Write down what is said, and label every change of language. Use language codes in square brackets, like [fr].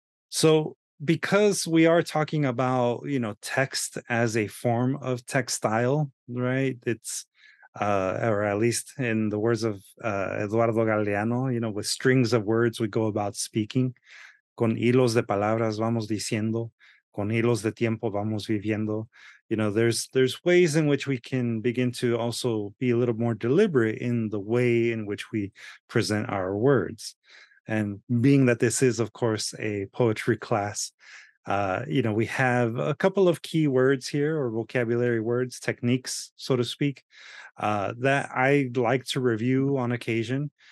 [en] So because we are talking about, you know, text as a form of textile, right? It's, or at least in the words of Eduardo Galeano, you know, with strings of words, we go about speaking. [es] Con hilos de palabras vamos diciendo, con hilos de tiempo vamos viviendo. [en] You know, there's ways in which we can begin to also be a little more deliberate in the way in which we present our words. And being that this is, of course, a poetry class, You know, we have a couple of key words here, or vocabulary words, techniques, so to speak, that I like to review on occasion.